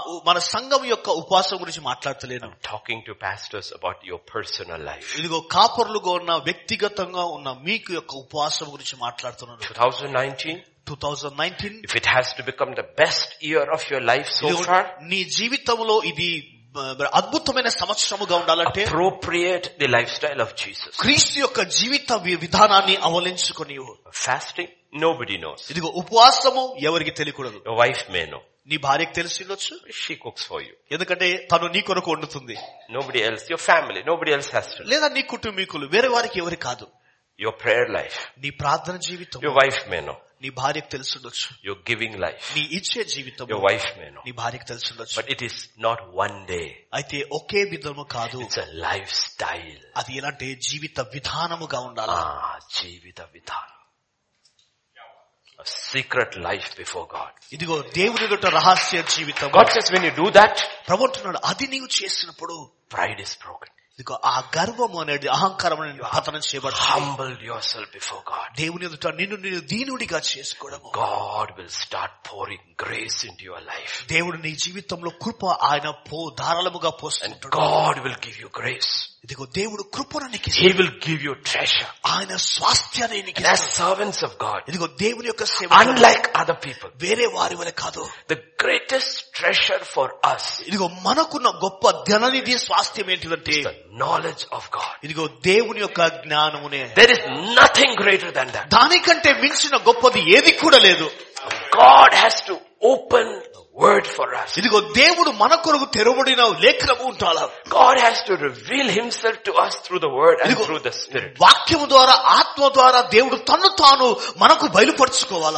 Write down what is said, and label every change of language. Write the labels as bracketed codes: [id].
[te] మన సంఘం యొక్క ఉపవాసం గురించి మాట్లాడతలేను. [en] I'm talking to pastors about your personal life. [te] ఇదిగో కాపర్లుగా ఉన్న వ్యక్తిగతంగా ఉన్న మీకు యొక్క ఉపవాసం గురించి మాట్లాడుతున్నాను. [en] 2019, if it has to become the best year of your life so far, [te] నీ జీవితంలో ఇది అద్భుతమైన సంవత్సరముగా ఉండాలంటే, [en] appropriate the lifestyle of Jesus. [te] క్రీస్తు యొక్క జీవిత విధానాన్ని అవలంబించుకొని [en] fasting. Nobody knows. [te] ఇదిగో ఉపవాసము ఎవరికి తెలియకూడదు. [en] Your wife may know. [te] నీ భార్యకు తెలిసిండొచ్చు. [en] She cooks for you. [te] ఎందుకంటే తను నీ కొరకు వండుతుంది. [en] Nobody else. Your family. Nobody else has to. [te] లేదా నీ కుటుంబీకులు, వేరే వారికి ఎవరికి కాదు. [en] Your prayer life. [te] నీ ప్రార్థన జీవితం. [en] Your wife may know. [te] నీ భార్యకు తెలుసుండొచ్చు. [en] Your giving life. [te] నీ ఇచ్చే జీవితం. [en] Your wife may know. [te] నీ భార్యకు తెలుసుండొచ్చు. [en] But it is not one day. [te] అయితే ఒకే విధము కాదు. [en] It's a lifestyle. [te] అది ఎలాంటి జీవిత విధానముగా ఉండాలి. ఆ జీవిత విధానం. [en] A secret life before God. [te] ఇదిగో దేవుని యొక్క రహస్య జీవితం. [en] God says when you do that, [te] ప్రభువుతున్నాడు అది నీవు చేసినప్పుడు, [en] pride is broken. [te] ఇదిగో ఆ గర్వము అనేది, అహంకారం అనేది పతనం చేయబడదు. [en] Humble yourself before God. [te] దేవుని యొక్క నిన్ను దీనుడిగా చేసుకోవడము. [en] God will start pouring grace into your life. [te] దేవుడు నీ జీవితంలో కృప ఆయన ధారాళముగా పోస్తుంటాడు. [en] God will give you grace. [te] ఇదిగో దేవుడు కృపను నీకు ఇస్తాడు. [en] He will give you treasure. [te] ఆయన స్వాస్థ్యాన్ని నీకు ఇస్తాడు. [en] As servants of God. [te] ఇదిగో దేవుని యొక్క సేవకులం. [en] Unlike other people. [te] వేరే వారి వలె కాదు. [en] The greatest treasure for us. [te] ఇదిగో మనకున్న గొప్ప ధననిధి స్వాస్థ్యం ఏంటంటే, [en] knowledge of God. [te] ఇదిగో దేవుని యొక్క జ్ఞానమునే. [en] There is nothing greater than that. [te] దానికంటే మించిన గొప్పది ఏది కూడా లేదు. [en] God has to open word for us. [te] ఇదిగో దేవుడు మన కొరకు తెరవబడిన లేఖనము ఉండాలి. [en] God has to reveal himself to us through the word and through the spirit. [te] వాక్యము ద్వారా, ఆత్మ ద్వారా దేవుడు తన్ను తాను మనకు బయలుపరచుకోవాలి.